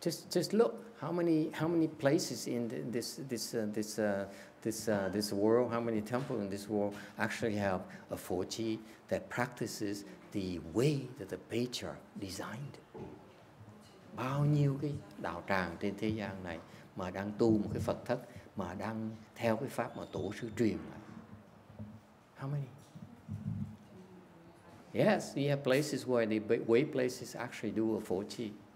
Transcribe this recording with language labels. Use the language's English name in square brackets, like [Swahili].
[English] Just look how many places in this world, how many temples in this world actually have a Pho Chi that practices the way that the patriarch designed. [Vietnamese] Bao nhiêu cái đạo tràng trên thế gian này mà đang tu một cái Phật thất mà đang theo cái pháp mà tổ sư truyền lại. [English] How many? Yes, you have places where the way places actually do a Pho Chi.